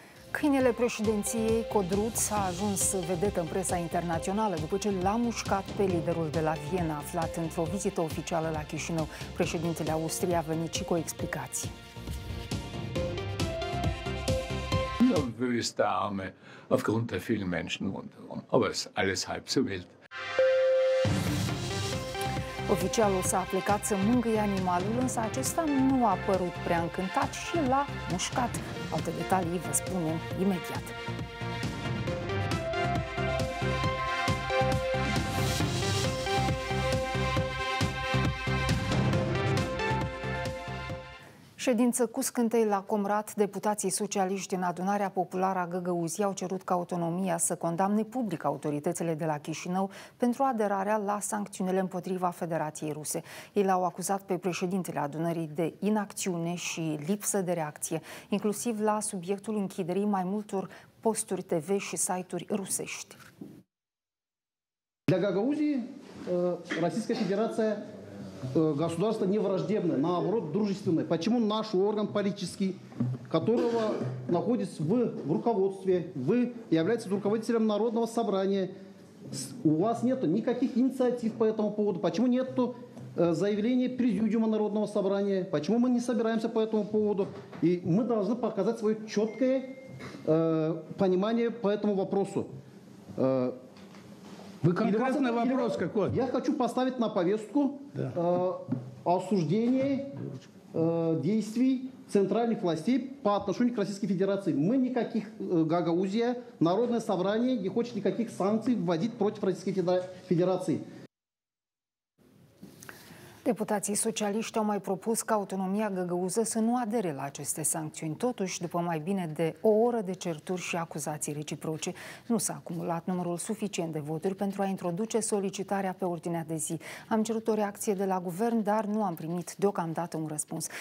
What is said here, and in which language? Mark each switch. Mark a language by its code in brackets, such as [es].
[ro] Câinele președinției Codruț a ajuns vedetă în presa internațională după ce l-a mușcat pe liderul de la Viena, aflat într-o vizită oficială la Chișinău. Președintele Austriei a venit și cu explicații. [de] Nu wüsste arme aufgrund der vielen Menschen rundherum, aber es ist alles halb so wild. [ro] Oficialul s-a plecat să mângâie animalul, însă acesta nu a părut prea încântat și l-a mușcat. Alte detalii vă spunem imediat. Ședință cu scântei la Comrat, deputații socialiști din Adunarea Populară a Găgăuzii au cerut ca autonomia să condamne public autoritățile de la Chișinău pentru aderarea la sancțiunile împotriva Federației Ruse. Ei l-au acuzat pe președintele adunării de inacțiune și lipsă de reacție, inclusiv la subiectul închiderii mai multor posturi TV și site-uri rusești. La Găgăuzii, Rusia Federația [ru] Государство не враждебное, наоборот, дружественное. Почему наш орган политический, которого находится в руководстве, вы являетесь руководителем Народного собрания, у вас нет никаких инициатив по этому поводу, почему нет заявления Президиума Народного собрания, почему мы не собираемся по этому поводу, и мы должны показать свое четкое понимание по этому вопросу. Вы конкретный вопрос какой? Я хочу поставить на повестку осуждение действий центральных властей по отношению к Российской Федерации. Мы никаких Гагаузия, Народное собрание не хочет никаких санкций вводить против Российской Федерации. [ro] Deputații socialiști au mai propus ca autonomia găgăuză să nu adere la aceste sancțiuni. Totuși, după mai bine de o oră de certuri și acuzații reciproce, nu s-a acumulat numărul suficient de voturi pentru a introduce solicitarea pe ordinea de zi. Am cerut o reacție de la guvern, dar nu am primit deocamdată un răspuns.